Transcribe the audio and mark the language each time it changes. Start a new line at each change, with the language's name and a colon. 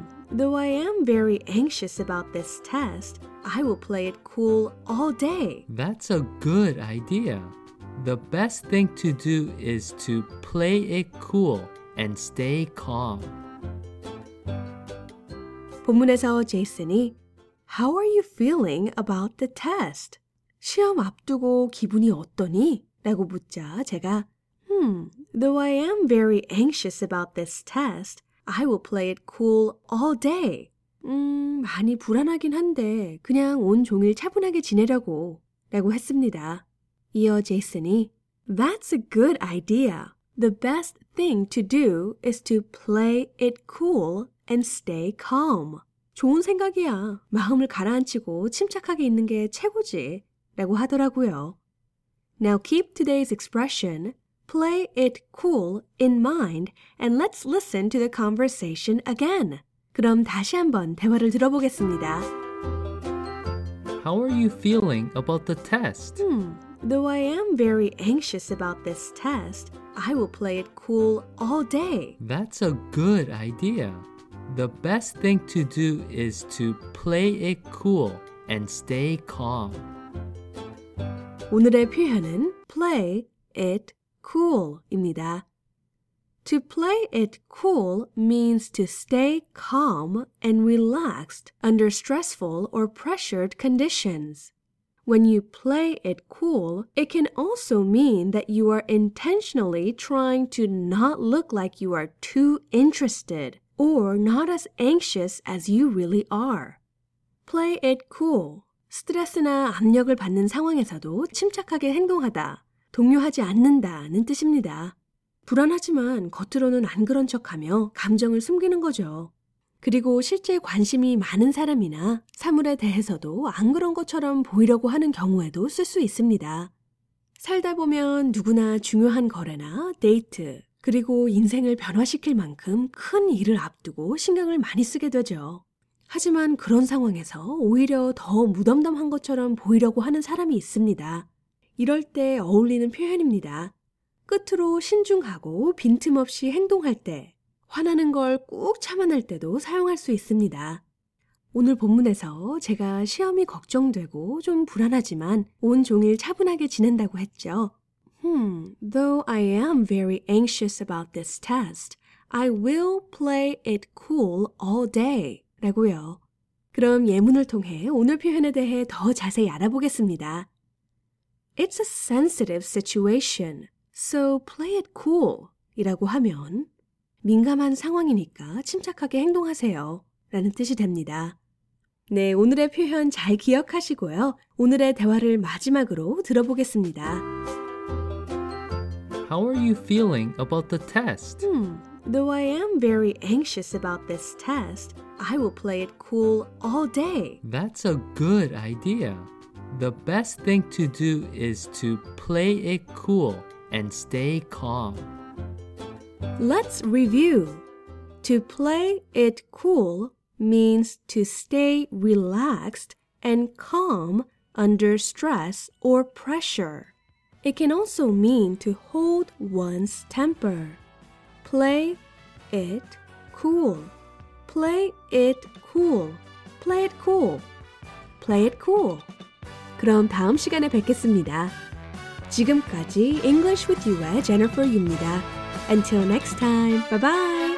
English: Though I am very anxious about this test, I will play it cool all day. That's a good idea. The best thing to do is to play it cool and stay calm.
Korean: 본문에서 제이슨이
English: How are you feeling about the test?
Korean: 시험 앞두고 기분이 어떠니? 라고 묻자 제가
English: Though I am very anxious about this test, I will play it cool all day.
Korean: 많이 불안하긴 한데 그냥 온 종일 차분하게 지내려고 라고 했습니다. 이어 제이슨이
English: That's a good idea. The best thing to do is to play it cool and stay calm.
Korean: 좋은 생각이야. 마음을 가라앉히고 침착하게 있는 게 최고지 라고 하더라고요.
English: Now keep today's expression, play it cool in mind and let's listen to the conversation again.
Korean: 그럼 다시 한번 대화를 들어보겠습니다.
English: How are you feeling about the test? Though I am very anxious about this test, I will play it cool all day. That's a good idea. The best thing to do is to play it cool and stay calm.
Korean: 오늘의 표현은
English: play it cool
Korean: 입니다.
English: To play it cool means to stay calm and relaxed under stressful or pressured conditions. When you play it cool, it can also mean that you are intentionally trying to not look like you are too interested or not as anxious as you really are. Play it cool.
Korean: 스트레스나 압력을 받는 상황에서도 침착하게 행동하다, 동요하지 않는다는 뜻입니다. 불안하지만 겉으로는 안 그런 척하며 감정을 숨기는 거죠. 그리고 실제 관심이 많은 사람이나 사물에 대해서도 안 그런 것처럼 보이려고 하는 경우에도 쓸 수 있습니다. 살다 보면 누구나 중요한 거래나 데이트, 그리고 인생을 변화시킬 만큼 큰 일을 앞두고 신경을 많이 쓰게 되죠. 하지만 그런 상황에서 오히려 더 무덤덤한 것처럼 보이려고 하는 사람이 있습니다. 이럴 때 어울리는 표현입니다. 끝으로 신중하고 빈틈없이 행동할 때, 화나는 걸 꾹 참아낼 때도 사용할 수 있습니다. 오늘 본문에서 제가 시험이 걱정되고 좀 불안하지만 온 종일 차분하게 지낸다고 했죠.
English: Though I am very anxious about this test, I will play it cool all day.
Korean: 라고요. 그럼 예문을 통해 오늘 표현에 대해 더 자세히 알아보겠습니다.
English: It's a sensitive situation, so play it cool.
Korean: 이라고 하면 민감한 상황이니까 침착하게 행동하세요. 라는 뜻이 됩니다. 네, 오늘의 표현 잘 기억하시고요. 오늘의 대화를 마지막으로 들어보겠습니다.
English: How are you feeling about the test? Though I am very anxious about this test, I will play it cool all day. That's a good idea. The best thing to do is to play it cool and stay calm. Let's review. To play it cool means to stay relaxed and calm under stress or pressure. It can also mean to hold one's temper. Play it cool. Play it cool. Play it cool. Play it cool.
Korean: 그럼 다음 시간에 뵙겠습니다. 지금까지 English with You의 Jennifer 유입니다.
English: Until next time, bye-bye!